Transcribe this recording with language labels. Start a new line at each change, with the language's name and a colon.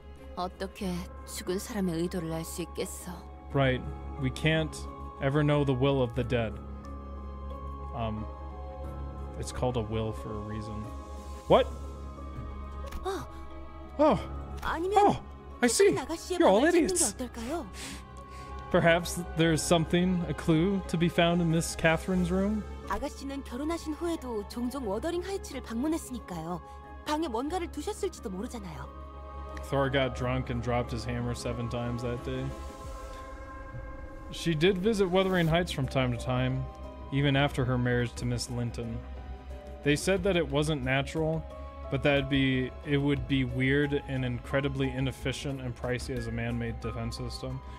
Korean: 어떻게 죽은 사람의 의도를 알 수 있겠어?
English: Right. We can't ever know the will of the dead. It's called a will for a reason. What? Oh. Oh.
Korean: 아니면,
English: oh, I see. You're all idiots. Perhaps there's something, a clue, to be found in Miss Catherine's room?
Korean: 아가씨는 결혼하신 후에도 종종 워더링 하이츠를 방문했으니까요. 방에 뭔가를 두셨을지도 모르잖아요.
English: Thor got drunk and dropped his hammer 7 times that day. She did visit Wuthering Heights from time to time, even after her marriage to Miss Linton. They said that it wasn't natural, but that it would be weird and incredibly inefficient and pricey as a man-made defense system.